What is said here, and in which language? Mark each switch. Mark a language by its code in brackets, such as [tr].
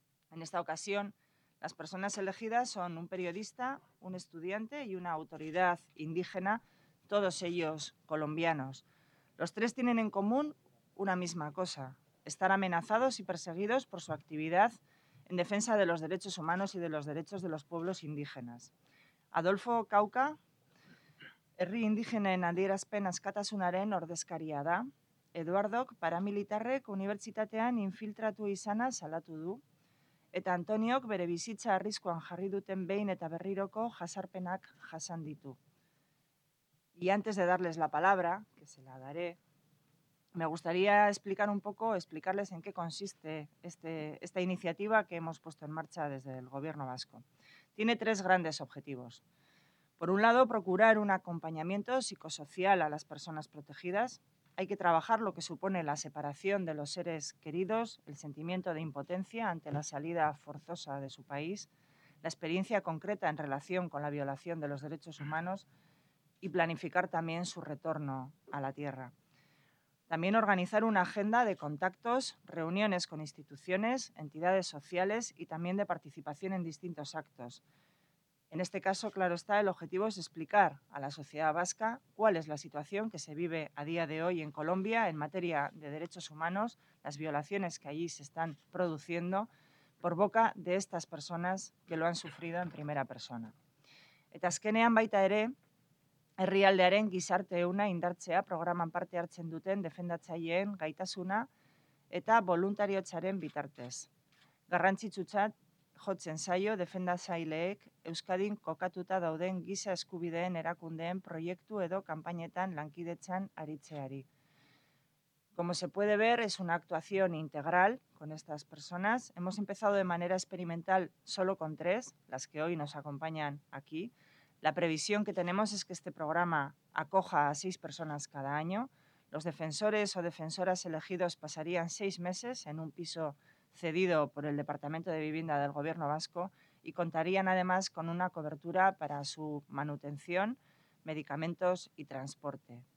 [es] En esta ocasión, las personas elegidas son un periodista, un estudiante y una autoridad indígena, todos ellos colombianos. Los tres tienen en común una misma cosa: estar amenazados y perseguidos por su actividad en defensa de los derechos humanos y de los derechos de los pueblos indígenas. [eu] Adolfo Cauca, herri indigenen adierazpen askatasunaren ordezkaria da. Eduardok paramilitarrek unibertsitatean infiltratu izana salatu du. Eta Antoniok bere bizitza arriskuan jarri duten behin eta berriroko jasarpenak jasan ditu. [es] Y antes de darles la palabra, que se la daré, me gustaría explicar un poco, explicarles en qué consiste esta iniciativa que hemos puesto en marcha desde el Gobierno Vasco. Tiene tres grandes objetivos. Por un lado, procurar un acompañamiento psicosocial a las personas protegidas. Hay que trabajar lo que supone la separación de los seres queridos, el sentimiento de impotencia ante la salida forzosa de su país, la experiencia concreta en relación con la violación de los derechos humanos y planificar también su retorno a la tierra. También organizar una agenda de contactos, reuniones con instituciones, entidades sociales y también de participación en distintos actos. En este caso, claro está, el objetivo es explicar a la sociedad vasca cuál es la situación que se vive a día de hoy en Colombia en materia de derechos humanos, las violaciones que allí se están produciendo por boca de estas personas que lo han sufrido en primera persona. [eu] Eta azkenean baita ere, herrialdearen gizarte una indartzea programan parte hartzen duten defendatzaileen gaitasuna eta voluntariotzaren bitartez. Garrantzitsutzat jotzen zaio defendatzaileek Euskadin kokatuta dauden giza eskubideen erakundeen proiektu edo kanpainetan lankidetzan aritzeari. [es] Como se puede ver, es una actuación integral con estas personas. Hemos empezado de manera experimental solo con tres, las que hoy nos acompañan aquí. La previsión que tenemos es que este programa acoja a 6 personas cada año. Los defensores o defensoras elegidos pasarían 6 meses en un piso cedido por el Departamento de Vivienda del Gobierno Vasco y contarían además con una cobertura para su manutención, medicamentos y transporte.